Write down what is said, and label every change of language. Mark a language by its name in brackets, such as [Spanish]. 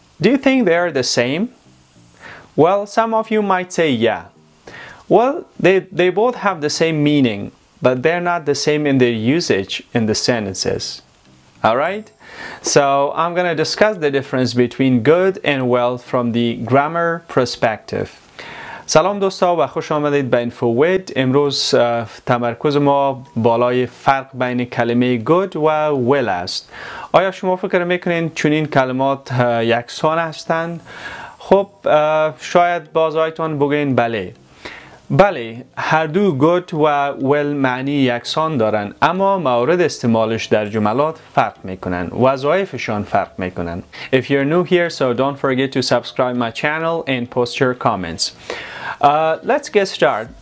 [English] Do you think they are the same? Well, some of you might say yeah. Well, they both have the same meaning, but they're not the same in their usage in the sentences. Alright? So I'm going to discuss the difference between good and well from the grammar perspective. [Persian] سلام دوستا و خوش آمدید به InfoWid. امروز تمرکز ما بالای فرق بین کلمه good و well است. آیا شما فکر میکنین چنین کلمات یکسان هستند؟ خب شاید بازایتون بگین بله. بله، هر دو good و well معنی یکسان دارن، اما مورد استعمالش در جملات فرق میکنن، وظایفشان فرق میکنن. [English] If you're new here, so don't forget to subscribe my channel and post your comments. Let's get started.